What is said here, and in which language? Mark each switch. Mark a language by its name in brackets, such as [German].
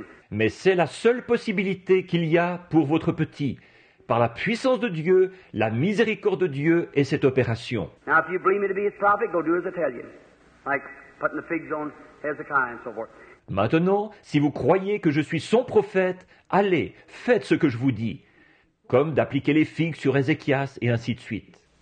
[French] Mais c'est la seule possibilité qu'il y a pour votre petit, par la puissance de Dieu, la miséricorde de Dieu et cette opération. [English] Now, if you believe me to be his prophet, go do as I tell you, like putting the figs on Hezekiah and so forth. [French] Maintenant, si vous croyez que je suis son prophète, allez, faites ce que je vous dis. Comme d'appliquer les figues sur Ézéchias et ainsi de suite.